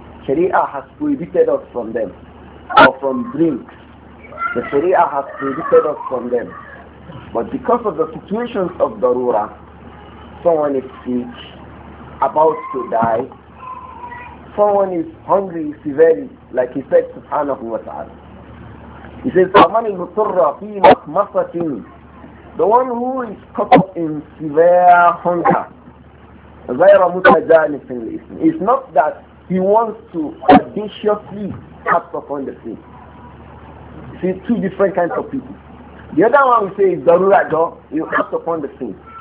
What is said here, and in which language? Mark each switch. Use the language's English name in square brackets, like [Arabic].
[English] Sharia has prohibited us from them, or from drinks. The Sharia has prohibited us from them. But because of the situations of darura, someone is sick, about to die, someone is hungry severely, like he said, subhanahu wa ta'ala. He says, [Arabic] فَمَنْ الْمُطُرَّ فِي مَخْمَصَةٍ. [English] The one who is caught up in severe hunger, [Arabic] غَيْرَ مُتَجَانِفٍ لِإِسْمِ, [English] it's not that he wants to audaciously act upon the sin. See, two different kinds of people. The other one will say, darura, you act upon the sin.